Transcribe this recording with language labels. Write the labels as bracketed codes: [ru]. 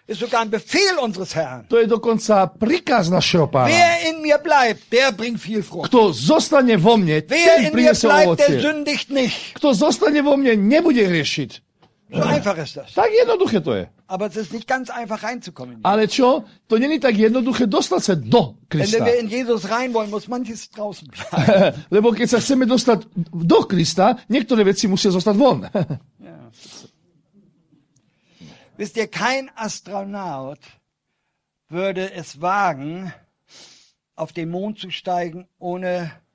[de] Ist sogar ein Befehl unseres Herrn. [sk] To je dokonca príkaz našeho Pána. [de] Wer in mir bleibt, der bringt viel Frucht. [sk] Kto zostane vo mne, ten priniesie ovocie. [de] Wer in mir bleibt, der sündigt nicht. [sk] Kto zostane vo mne, nebude hriešiť. [de] So einfach ist das. [sk] Tak jednoduché to je. [de] Aber es ist nicht ganz einfach reinzukommen. [sk] Ale čo? To nie je tak jednoduché dostať sa do Krista. [de] Wenn wir in Jesus rein wollen, muss manches draußen bleiben. [sk] Lebo keď sa chceme dostať do Krista, niektoré veci musia zostať von. [de] Wisst ihr, kein Astronaut würde es wagen, auf den Mond zu steigen, ohne